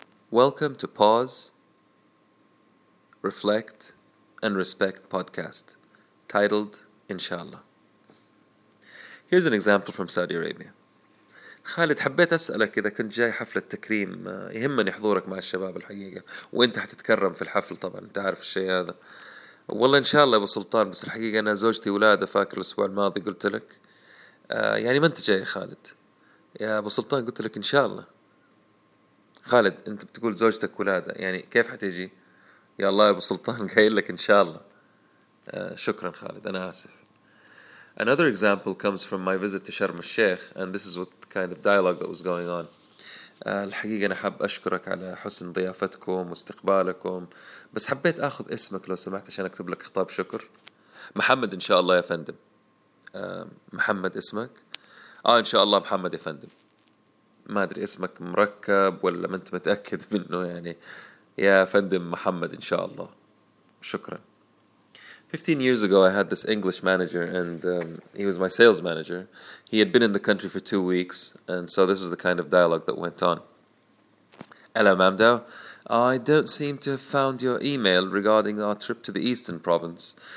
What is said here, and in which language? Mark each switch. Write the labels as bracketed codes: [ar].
[en] Welcome to Pause, Reflect, and Respect podcast, titled Inshallah. Here's an example from Saudi Arabia. [ar] خالد حبيت أسألك إذا كنت جاي حفلة تكريم يهمني حضورك مع الشباب الحقيقة وإنت هتتكرم في الحفل طبعا أنت عارف الشيء هذا والله إن شاء الله أبو سلطان بس الحقيقة أنا زوجتي ولادة فاكر الأسبوع الماضي قلت لك يعني ما أنت جاي يا خالد يا أبو سلطان قلت لك إن شاء الله خالد أنت بتقول زوجتك ولادة يعني كيف حتيجي يا الله يا أبو سلطان قايل لك إن شاء الله شكرا خالد أنا آسف. [en] Another example comes from my visit to Sharm el-Sheikh, and this is what kind of dialogue that was going on. [ar] الحقيقة أنا حاب أشكرك على حسن ضيافتكم واستقبالكم بس حبيت أخذ اسمك لو سمحت عشان أكتب لك خطاب شكر. محمد إن شاء الله يا فندم. محمد اسمك؟ إن شاء الله محمد يا فندم. ما أدري اسمك مركب ولا ما أنت متأكد منه يعني. يا فندم محمد إن شاء الله. شكرا. [en] 15 years ago, I had this English manager, and he was my sales manager. He had been in the country for 2 weeks, and so this is the kind of dialogue that went on. Hello, Mamdou. I don't seem to have found your email regarding our trip to the Eastern Province.